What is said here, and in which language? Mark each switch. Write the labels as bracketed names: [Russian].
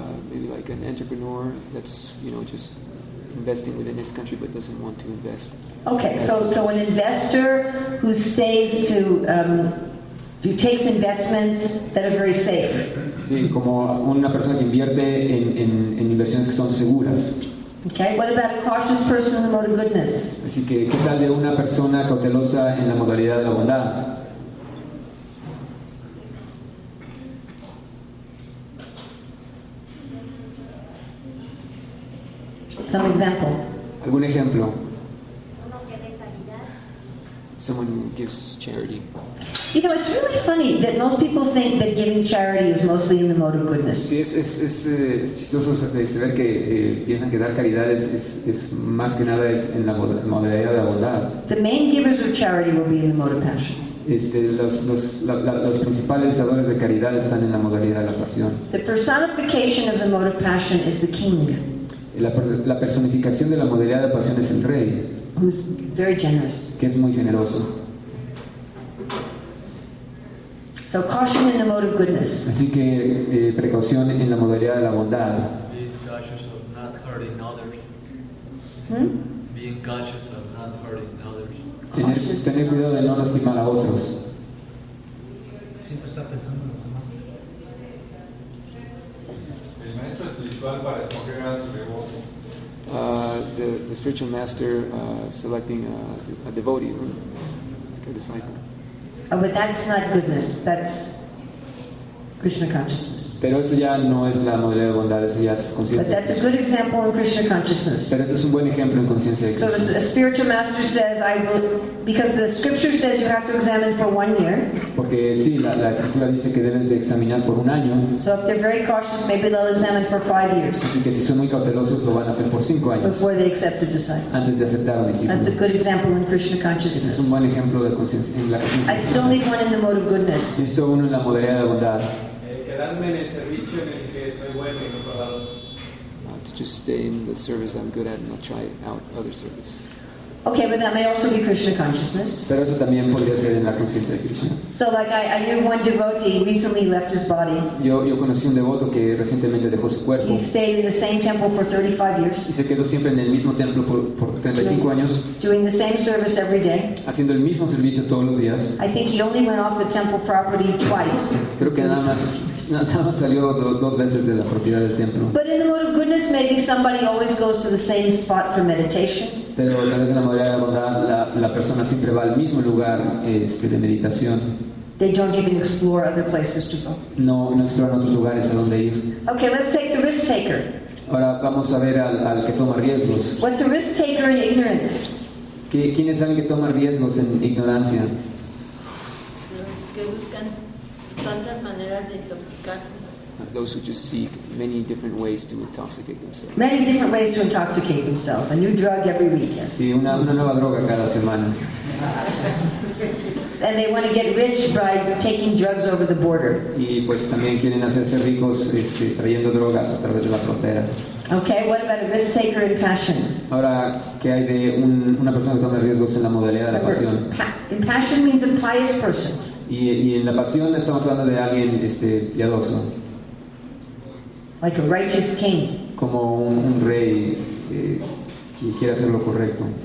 [English] Maybe like an entrepreneur that's, you know, just investing within his country but doesn't want to invest. Okay, so an investor who stays to who takes investments that are very safe. [Spanish] Sí, como una persona que invierte en inversiones que son seguras. [English] Okay, what about a cautious person in the mode of goodness? [Spanish] Así que, ¿qué tal de una persona cautelosa en la modalidad de la bondad? [English] Some example. [Spanish] ¿Algún ejemplo? [English] Someone who gives charity. You know, it's really funny that most people think that giving charity is mostly in the mode of goodness. [Spanish] Sí, es chistoso saber que piensan que dar caridad es más que nada es en la modalidad de bondad. [English] The main givers of charity will be in the mode of passion. [Spanish] Los principales dadores de caridad están en la modalidad de la pasión. [English] The personification of the mode of passion is the king. [Spanish] La personificación de la modalidad de pasión es el rey. [English] Who's very generous. [Spanish] Que es muy generoso. [English] So caution in the mode of goodness. [Spanish] Así que precaución en la modalidad de la bondad. [English] Being cautious of not hurting others. Hmm? Being cautious of not hurting others. [Spanish] Tener cuidado de no lastimar a otros. Siempre está pensando en los demás. El maestro espiritual para escoger a su devoto. [English] The spiritual master selecting a devotee, like a disciple. Oh, but that's not goodness. That's Krishna consciousness. [Spanish] Pero eso ya no es la modalidad de bondad. Eso ya es conciencia. [English] But that's a good example in Krishna consciousness. [Spanish] Pero eso es un buen ejemplo en conciencia. [English] So a spiritual master says, "I will," because the scripture says you have to examine for 1 year. [Spanish] Porque sí, la escritura dice que debes de examinar por un año. [English] So if they're very cautious, maybe they'll examine for 5 years. [Spanish] Así que si son muy cautelosos, lo van a hacer por 5 años. [English] Before they accept a disciple. [Spanish] Antes de aceptar a un discípulo. [English] That's a good example in Krishna consciousness. [Spanish] Ese es un buen ejemplo de conciencia en la conciencia. [English] I still need one in the mode of goodness. [Spanish] Necesito uno en la modalidad de bondad. [English] To just stay in the service I'm good at and not try out other service. Okay, but that may also be Krishna consciousness. [Spanish] Pero eso también podría ser en la conciencia de Krishna. [English] So like I knew one devotee recently left his body. [Spanish] Yo conocí un devoto que recientemente dejó su cuerpo. [English] He stayed in the same temple for 35 years. [Spanish] Y se quedó siempre en el mismo templo por 35 años. [English] Doing the same service every day. [Spanish] Haciendo el mismo servicio todos los días. [English] I think he only went off the temple property twice. [Spanish] Creo que nada más salió dos veces de la propiedad del templo. [English] But in the mode of goodness, maybe somebody always goes to the same spot for meditation. [Spanish] Pero a través de la modalidad de bondad, la persona siempre va al mismo lugar de meditación. [English] They don't even explore other places to go. [Spanish] No exploran otros lugares a donde ir. [English] Okay, let's take the risk taker. [Spanish] Ahora vamos a ver al que toma riesgos. [English] What's a risk taker in ignorance? [Spanish] ¿Quién es alguien que toma riesgos en ignorancia? Que buscan tantas maneras de intoxicarse. [English] Those who just seek many different ways to intoxicate themselves. Many different ways to intoxicate themselves. A new drug every week. [Spanish] Sí, una nueva droga cada semana. [English] And they want to get rich by taking drugs over the border. [Spanish] Y pues también quieren hacerse ricos trayendo drogas a través de la frontera. [English] Okay, what about a risk taker in passion? [Spanish] Ahora, ¿qué hay de una persona que toma riesgos en la modalidad de la pasión? [English] In passion means a pious person. [Spanish] Y en la pasión estamos hablando de alguien piadoso. [English] Like a righteous king. [Spanish] Como un rey que quiere hacer lo correcto.